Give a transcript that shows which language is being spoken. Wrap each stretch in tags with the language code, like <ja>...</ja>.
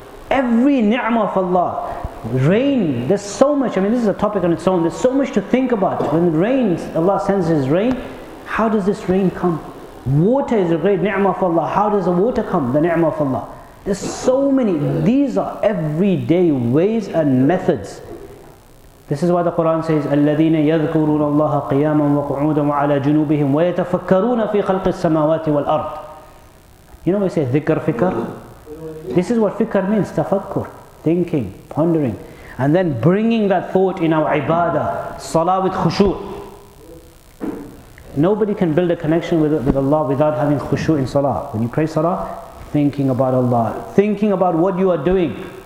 <en>Every ni'mah of Allah. Rain, there's so much. I mean, this is a topic on its own. There's so much to think about. When it rains, Allah sends His rain. How does this rain come? Water is a great ni'mah of Allah. How does the water come? The ni'mah of Allah. There's so many. These are everyday ways and methods. This is why the Quran says,</en> <ar>الَّذِينَ يَذْكُرُونَ اللَّهَ قِيَامًا وَقُعُودًا وَعَلَى جُنُوبِهِمْ وَيَتَفَكَّرُونَ فِي خَلْقِ السَّمَاوَاتِ وَالْأَرْضِ.</ar> <en>You know we say dhikr, fikr? This is what fikr means, tafakkur, thinking, pondering. And then bringing that thought in our ibadah, salah with khushu'. Nobody can build a connection with Allah without having khushu' in salah. When you pray salah, thinking about Allah, thinking about what you are doing.</en>